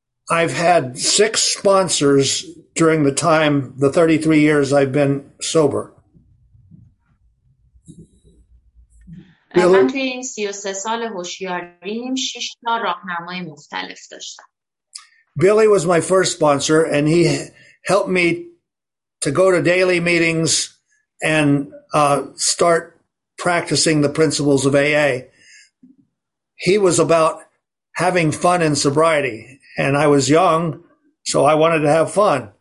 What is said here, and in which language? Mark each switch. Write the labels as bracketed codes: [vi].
[en] I've had 6 sponsors during the time, the 33 years I've been sober. [fa] من توی این 33 سال هوشیاریم 6 تا راهنمای مختلف داشتم. [en] Billy was my first sponsor and he helped me to go to daily meetings and start practicing the principles of AA. He was about having fun in sobriety, and I was young, so I wanted to have fun.